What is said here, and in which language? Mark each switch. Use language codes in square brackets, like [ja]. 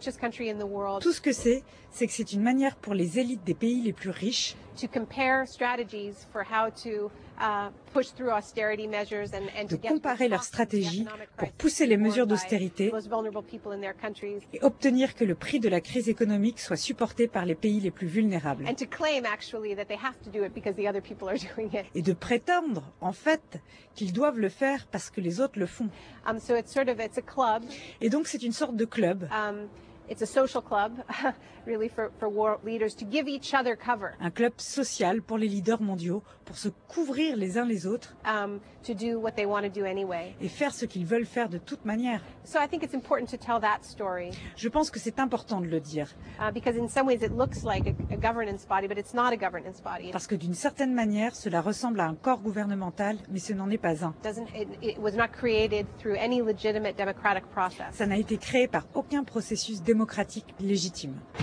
[fr] Tout ce que c'est que c'est une manière pour les élites des pays les plus riches [en] to compare strategies for how to push through austerity measures and [fr] de comparer leurs stratégies pour pousser les mesures d'austérité et obtenir que le prix de la crise économique soit supporté par les pays les plus vulnérables. [en] And to claim actually that they have to do it because the other people are doing it. [fr] Et de prétendre en fait qu'ils doivent le faire parce que les autres le font. [en] So it's sort of it's a club. [fr] Et donc c'est une sorte de club. [en] It's a social club, really, for world leaders to give each other cover. [fr] Un club social pour les leaders mondiaux, pour se couvrir les uns les autres. [en] To do what they want to do anyway. [fr] Et faire ce qu'ils veulent faire de toute manière. [en] So I think it's important to tell that story. [fr] Je pense que c'est important de le dire. [en] Because in some ways it looks like a governance body, but it's not a governance body. [fr] Parce que d'une certaine manière, cela ressemble à un corps gouvernemental, mais ce n'en est pas un. [en] It was not created through any legitimate democratic process. [fr] Ça n'a été créé par aucun processus démocratique légitime.